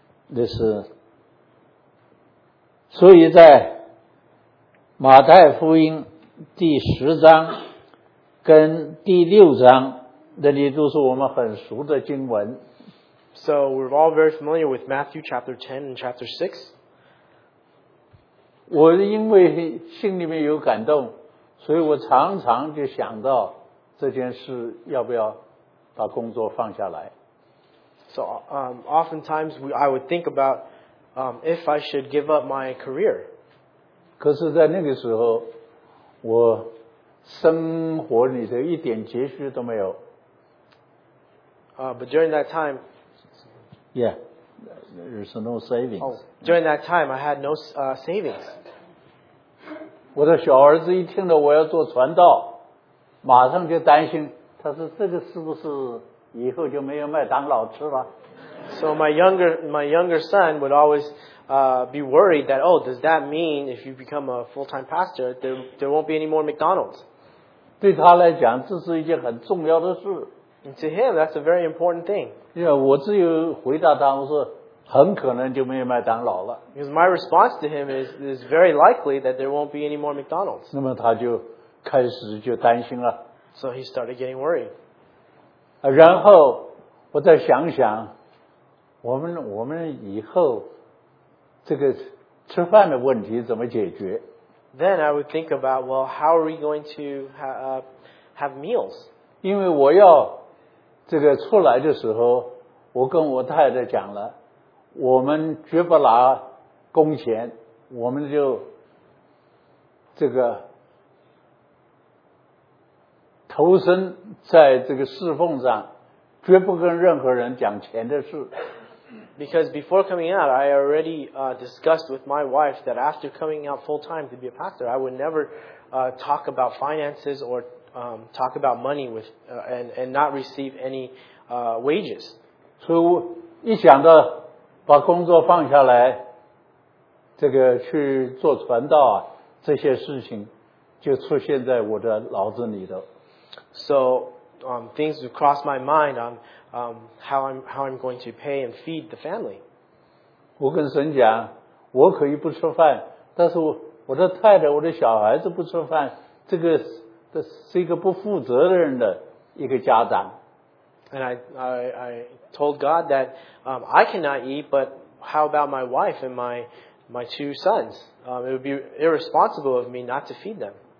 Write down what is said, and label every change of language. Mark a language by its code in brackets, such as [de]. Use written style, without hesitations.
[en] This is [zh] 所以在马太福音第十章跟第六章那里都是我们很熟的经文。 [en] So we're all very familiar with Matthew chapter 10 and chapter 6. [zh] 我因为心里面有感动，所以我常常就想到这件事要不要把工作放下来。 [en] So oftentimes I would think about if I should give up my career. [zh] 可是在那个时候，我生活里头一点积蓄都没有。 [en] But during that time, Yeah, there's no savings. Oh, during that time, I had no savings. [zh] 我的小儿子一听到我要做传道，马上就担心，他说这个是不是以后就没有麦当劳吃了？ [en] So my younger son would always be worried that, oh, does that mean if you become a full-time pastor, there won't be any more McDonald's? [zh] 对他来讲，这是一件很重要的事。 [en] And to him, that's a very important thing. [zh] Yeah, 我只有回答他，我说很可能就没有麦当劳了。 [en] Because my response to him is very likely that there won't be any more McDonald's. [zh] 那么他就开始就担心了。 [en] So he started getting worried. [zh] 然后我再想想，我们以后这个吃饭的问题怎么解决？ [en] Then I would think about, well, how are we going to have meals? [zh] 因为我要这个出来的时候，我跟我太太讲了，我们绝不拿工钱，我们就这个投身在这个侍奉上，绝不跟任何人讲钱的事。 [en] Because before coming out, I already discussed with my wife that after coming out full time to be a pastor, I would never talk about finances or talk about money with and not receive any wages. [zh] So, 一想到把工作放下来, 这个去做传道啊, 这些事情, 就出现在我的脑子里的。 [en] So, things have crossed my mind on how I'm going to pay and feed the family. [zh] 我跟神讲, 我可以不吃饭, 但是我的太太, 我的小孩子不吃饭, 这个, 这是一个不负责任的一个家长。 [en] And I told God that I cannot eat, but how about my wife and my two sons? It would be irresponsible of me not to feed them.